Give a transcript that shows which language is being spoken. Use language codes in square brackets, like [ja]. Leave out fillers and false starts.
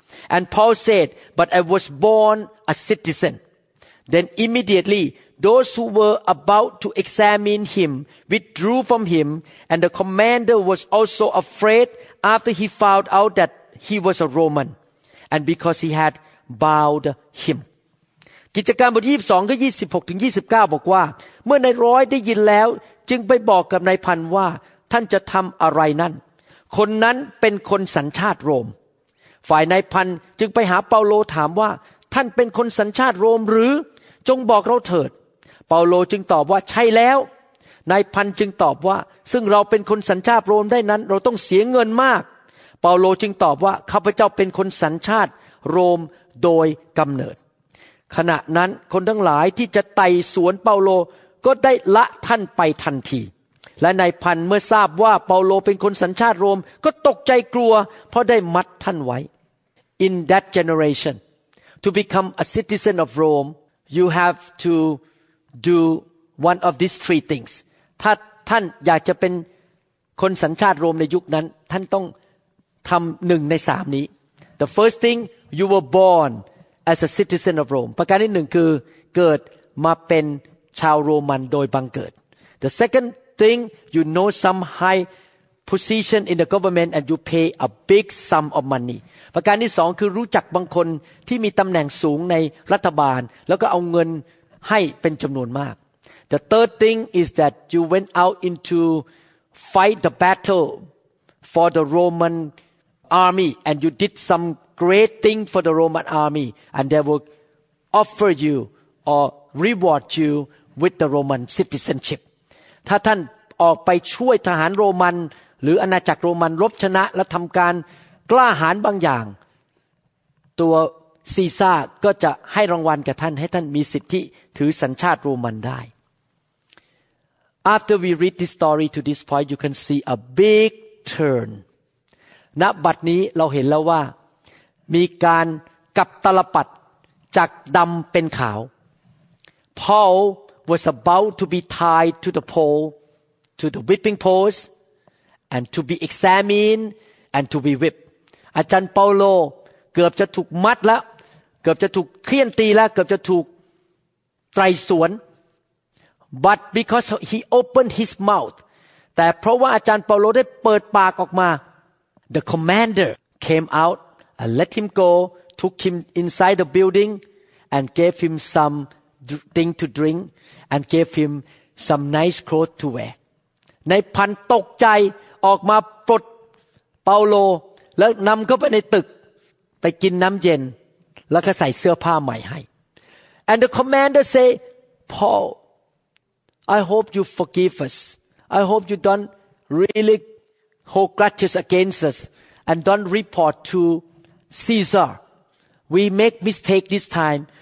[en] And Paul said, but I was born a citizen. Then immediately those who were about to examine him withdrew from him, and the commander was also afraid after he found out that he was a Roman, and because he had bound him. [th] กิจการบทที่22ข้อ26ถึง29บอกว่าเมื่อนายร้อยได้ยินแล้วจึงไปบอกกับนายพันว่าท่านจะทำอะไรนั่นคนนั้นเป็นคนสัญชาติโรม ฝ่ายนายพันจึงไปหาเปาโลถามว่าท่านเป็นคนสัญชาติโรมหรือจงบอกเราเถิดเปาโลจึงตอบว่าใช่แล้วนายพันจึงตอบว่าซึ่งเราเป็นคนสัญชาติโรมได้นั้นเราต้องเสียเงินมากเปาโลจึงตอบว่าข้าพเจ้าเป็นคนสัญชาติโรมโดยกำเนิด ขณะนั้นคนทั้งหลายที่จะไต่สวนเปาโลก็ได้ละท่านไปทันทีและนายพันเมื่อทราบว่าเปาโลเป็นคนสัญชาติโรมก็ตกใจกลัวเพราะได้มัดท่านไว้ [en] In that generation to become a citizen of Rome you have to do one of these three things [th] ถ้าท่านอยากจะเป็นคนสัญชาติโรมในยุคนั้นท่านต้องทำหนึ่งในสามนี้ [en] The first thing you were bornas a citizen of Rome [th] ประการที่1คือเกิดมาเป็นชาวโรมันโดยบังเกิด [en] the second thing you know some high position in the government and you pay a big sum of money [th] ประการที่2คือรู้จักบางคนที่มีตำแหน่งสูงในรัฐบาลแล้วก็เอาเงินให้เป็นจำนวนมาก [en] the third thing is that you went out into fight the battle for the Roman army and you did someGreat thing for the Roman army, and they will offer you or reward you with the Roman citizenship. [th] ถ้าท่านออกไปช่วยทหารโรมันหรืออาณาจักรโรมันรบชนะและทำการกล้าหาญบางอย่างตัวซีซ่าก็จะให้รางวัลแก่ท่านให้ท่านมีสิทธิถือสัญชาติโรมันได้ [en] After we read this story to this point, you can see a big turn. [th] ณบัดนี้เราเห็นแล้วว่ามีการกลับตลปัดจากดำเป็นขาว [en] Paul was about to be tied to the pole to the whipping post and to be examined and to be whipped [th] อาจารย์เปาโลเกือบจะถูกมัดแล้วเกือบจะถูกเครี่ยนตีแล้วเกือบจะถูกไตรสวน [en] but because he opened his mouth [th] แต่เพราะว่าอาจารย์เปาโลได้เปิดปากออกมา [en] the commander came outAnd let him go, took him inside the building, and gave him some thing to drink, and gave him some nice clothes to wear. [th] ในพันตกใจออกมาปลดเปาโลแล้วนำเข้าไปในตึกไปกินน้ำเย็นแล้วก็ใส่เสื้อผ้าใหม่ให้ [en] And the commander say, Paul, I hope you forgive us. I hope you don't really hold grudges against us. And don't report to Caesar. We make mistake this time.